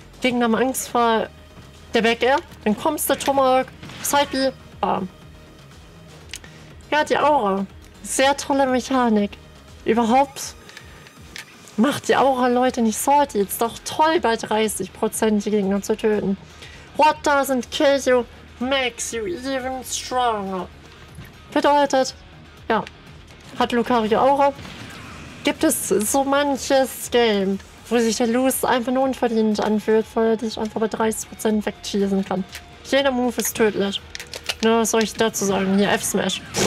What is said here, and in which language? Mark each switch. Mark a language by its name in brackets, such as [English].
[German] Gegner haben Angst vor der Back Air. Dann kommst du, Tomahawk, Side B, bam. Ja, die Aura. Sehr tolle Mechanik. Überhaupt macht die Aura Leute nicht salty. Ist doch toll, bei 30% die Gegner zu töten. [English] What doesn't kill you makes you even stronger. [German] Bedeutet, ja, hat Lucario Aura. Gibt es so manches Game, wo sich der Lose einfach nur unverdient anfühlt, weil er dich einfach bei 30% wegschießen kann. Jeder Move ist tödlich. Na, was soll ich dazu sagen? Hier, F-Smash.